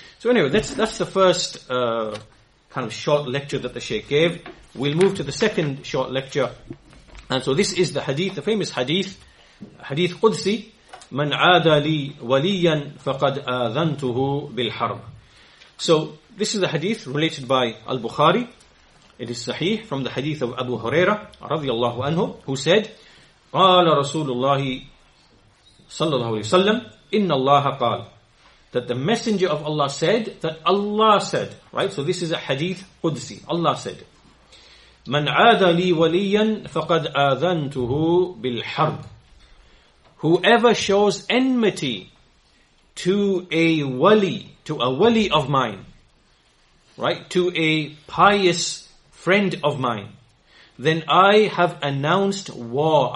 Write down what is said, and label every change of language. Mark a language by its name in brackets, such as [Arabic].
[English] So anyway, that's the first kind of short lecture that the Shaykh gave. We'll move to the second short lecture. And so this is the hadith, the famous hadith, hadith Qudsi, [Arabic] مَنْ عَادَ لِي وَلِيًّا فَقَدْ آذَنْتُهُ بِالْحَرْبِ. [English] So this is the hadith related by Al-Bukhari. It is sahih from the hadith of Abu Huraira [Arabic] رضي الله عنه, [English] who said, [Arabic] قَالَ رَسُولُ اللَّهِ صَلَّى اللَّهُ عَلَيْهِ وَسَلَّمَ إِنَّ اللَّهَ قَالَ, [English] that the Messenger of Allah said that Allah said, right? So this is a hadith Qudsi. Allah said, [Arabic] "Man aada li waliyan faqad aadantuhu bil harb." [English] Whoever shows enmity to a wali, to a wali of mine, right, to a pious friend of mine, then I have announced war.